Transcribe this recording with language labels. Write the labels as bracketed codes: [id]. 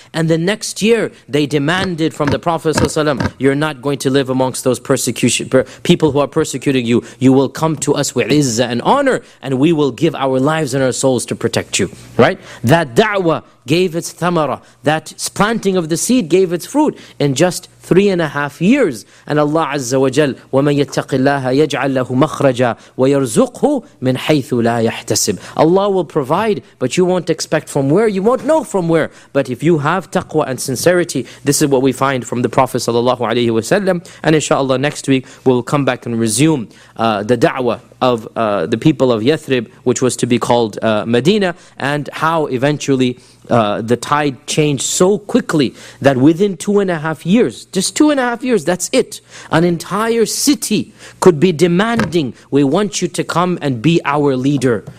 [en] And the next year, they demanded from the Prophet ﷺ, you're not going to live amongst those people who are persecuting you. You will come to us with izzah and honor, and we will give our lives and our souls to protect you. Right? That da'wah gave its thamara. That planting of the seed gave its fruit in just 3.5 years. And Allah Azza wa Jal, [ar] وَمَنْ يَتَّقِ اللَّهَ يَجْعَلْ لَهُ مَخْرَجًا وَيَرْزُقْهُ مِنْ حَيْثُ لَا يَحْتَسِبْ. [en] Allah will provide, but you won't expect from where, you won't know from where. But if you have taqwa and sincerity, this is what we find from the Prophet sallallahu alayhi wa sallam. And inshallah, next week we'll come back and resume the da'wah of the people of Yathrib, which was to be called Medina, and how eventually the tide changed so quickly that within 2.5 years, just 2.5 years, that's it, an entire city could be demanding, we want you to come and be our leader.